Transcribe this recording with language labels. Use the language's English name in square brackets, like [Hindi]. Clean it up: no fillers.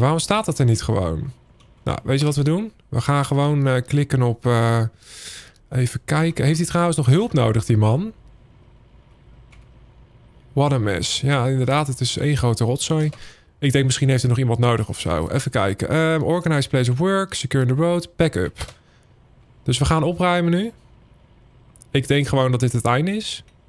[Dutch] Waarom staat dat er niet gewoon? Nou, weet je wat we doen? We gaan gewoon klikken op... even kijken. Heeft hij trouwens nog hulp nodig, die man? [English] What a mess. [Dutch] Ja, inderdaad, het is één grote rotzooi. Ik denk misschien heeft er nog iemand nodig of zo. Even kijken. [English] Organize place of work, secure the road, pack up. [Dutch] Dus we gaan opruimen nu. Ik denk gewoon dat dit het einde is.